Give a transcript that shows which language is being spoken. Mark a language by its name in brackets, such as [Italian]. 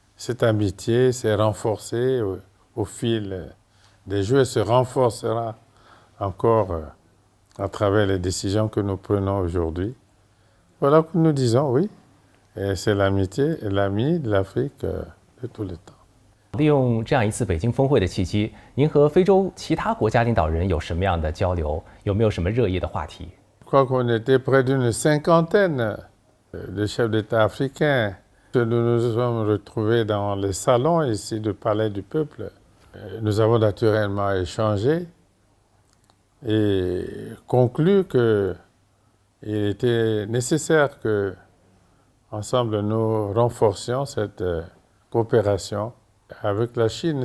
[French] cette amitié s'est renforcée au fil des jours et se renforcera encore à travers les décisions que nous prenons aujourd'hui. Voilà que nous disons oui, et c'est l'amitié et l'ami de l'Afrique de tous les temps. [Chinese] 利用这样一次北京峰会的契机，您和非洲其他国家领导人有什么样的交流？有没有什么热议的话题？ [French] Je crois qu'on était près d'une cinquantaine de chefs d'État africains. Nous nous sommes retrouvés dans les salons ici du Palais du Peuple. Nous avons naturellement échangé et conclu qu'il était nécessaire que, ensemble, nous renforcions cette coopération avec la Chine.